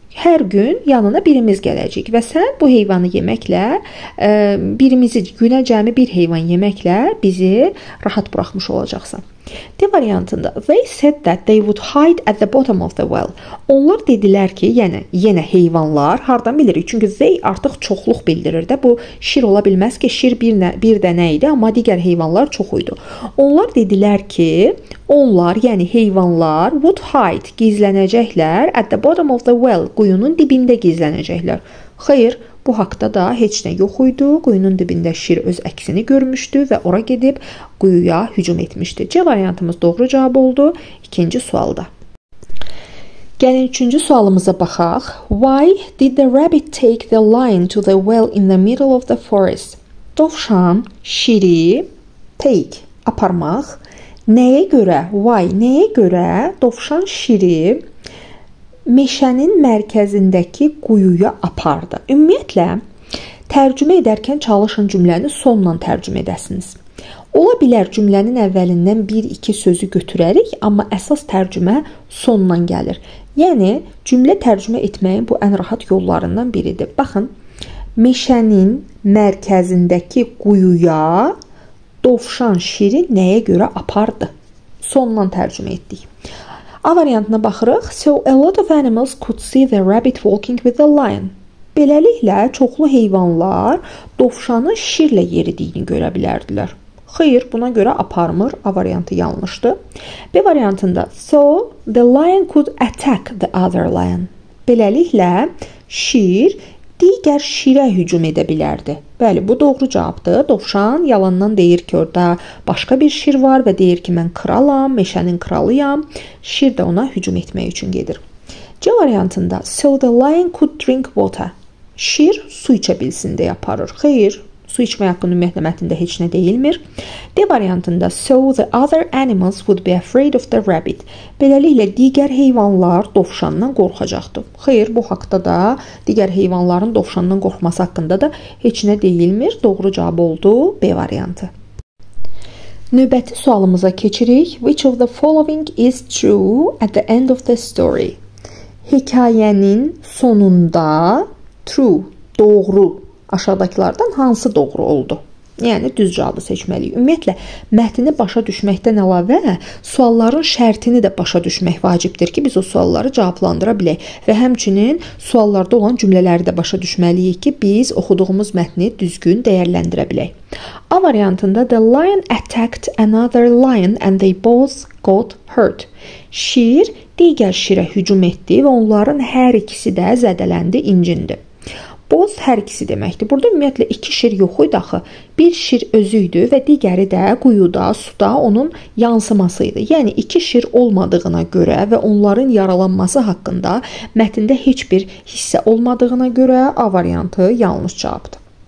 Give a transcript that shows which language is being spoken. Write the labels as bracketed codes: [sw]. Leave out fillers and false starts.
[az] Hər gün yanına birimiz gələcək və sən bu heyvanı yeməklə, birimizi günə cəmi bir heyvan yeməklə bizi rahat buraxmış olacaqsan. D variantında [en] they said that they would hide at the bottom of the well. [az] Onlar dedilər ki, yəni yenə heyvanlar, hardan bilirik? Çünki they artıq çoxluq bildirir də, bu şir ola bilməz ki, şir bir dənə idi, amma digər heyvanlar çox idi. Onlar dedilər ki, onlar, yəni heyvanlar would hide, gizlənəcəklər [en] at the bottom of the well, [az] quyunun dibində gizlənəcəklər. Xeyr, bu haqda da heç nə yox idi. Quyunun dibində şir öz əksini görmüşdü və ora gedib quyuya hücum etmişdi. C variantımız doğru cavab oldu. İkinci sualda. Gəlin üçüncü sualımıza baxaq. [en] Why did the rabbit take the lion to the well in the middle of the forest? [az] Dovşan şiri take, aparmaq. Nəyə görə? Why, nəyə görə dovşan şiri meşənin mərkəzindəki quyuya apardı. Ümumiyyətlə, tərcümə edərkən çalışın cümləni sonla tərcümə edəsiniz. Ola bilər cümlənin əvvəlindən bir-iki sözü götürərik, amma əsas tərcümə sonla gəlir. Yəni, cümlə tərcümə etməyin bu ən rahat yollarından biridir. Baxın, meşənin mərkəzindəki quyuya dovşan şiri nəyə görə apardı? Sonla tərcümə etdik. A variantına baxırıq. [en] So a lot of animals could see the rabbit walking with the lion. [az] Beləliklə, çoxlu heyvanlar dovşanın şirlə yeridiyini görə bilərdilər. Xeyr, buna görə aparmır. A variantı yanlışdır. B variantında [en] so the lion could attack the other lion. [az] Beləliklə, şir digər şirə hücum edə bilərdi. Bəli, bu doğru cavabdır. Dovşan yalandan deyir ki, orada başqa bir şir var və deyir ki, mən kralam, meşənin kralıyam. Şir də ona hücum etmək üçün gedir. C variantında, [en] so the lion could drink water. [az] Şir su içə bilsin deyə aparır. Xeyr, su içmək haqqında ümumiyyətlə mətndə heç nə deyilmir. D variantında, [en] so the other animals would be afraid of the rabbit. [az] Beləliklə, digər heyvanlar dovşandan qorxacaqdı. Xeyr, bu haqda da digər heyvanların dovşandan qorxması haqqında da heç nə deyilmir. Doğru cavab oldu B variantı. Növbəti sualımıza keçirik. [en] Which of the following is true at the end of the story? [az] Hekayənin sonunda true, doğru. Aşağıdakılardan hansı doğru oldu? Yəni, düz cavabı seçməliyik. Ümumiyyətlə, mətni başa düşməkdən əlavə, sualların şərtini də başa düşmək vacibdir ki, biz o sualları cavablandıra bilək və həmçinin suallarda olan cümlələri də başa düşməliyik ki, biz oxuduğumuz mətni düzgün dəyərləndirə bilək. A variantında, [en] the lion attacked another lion and they both got hurt. [az] Şir digər şirə hücum etdi və onların hər ikisi də zədələndi, incindi. Boz hər ikisi deməkdir. Burada ümumiyyətlə iki şir yox idi axı. Bir şir özü idi və digəri də quyuda, suda onun yansıması idi. Yəni iki şir olmadığına görə və onların yaralanması haqqında mətndə heç bir hissə olmadığına görə A variantı yanlış cavabdır.